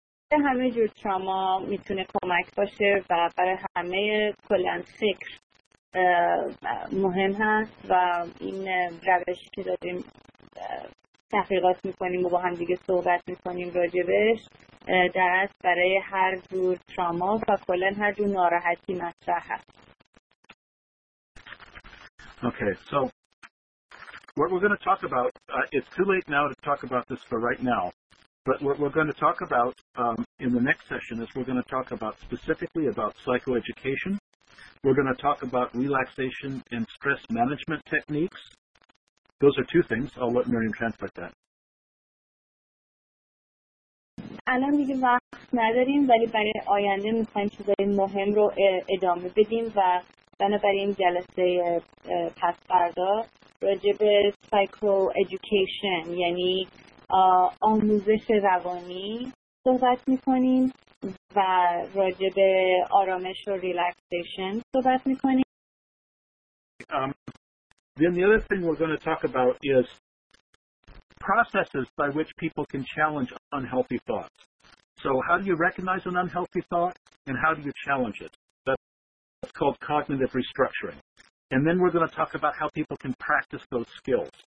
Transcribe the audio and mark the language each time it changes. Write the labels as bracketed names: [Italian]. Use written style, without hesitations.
[Persian] برای همه جور تراما میتونه کمک باشه و برای همه کلن فکر مهم هست و این روشی که داریم تحقیقات میکنیم و با هم دیگه صحبت میکنیم راجبش در اصل برای هر جور تراما و کلن هر جور ناراحتی مطرح هست. [English] Okay, so what we're going to talk about, it's too late now to talk about this for right now. But what we're going to talk about in the next session is we're going to talk about specifically about psychoeducation. We're going to talk about relaxation and stress management techniques. Those are two things. I'll let Miriam translate that. [Persian] الان دیگه وقت نداریم ولی برای آینده میخوایم چیزای مهم رو ادامه بدیم و بنابراین جلسه پس فردا راجع به psychoeducation یعنی آموزش روانی صحبت می‌کنیم و راجع به آرامش و ریلکسیشن صحبت می‌کنیم. [English] Then the other thing we're going to talk about is processes by which people can challenge unhealthy thoughts. So how do you recognize an unhealthy thought and how do you challenge it? That's called cognitive restructuring. And then we're going to talk about how people can practice those skills.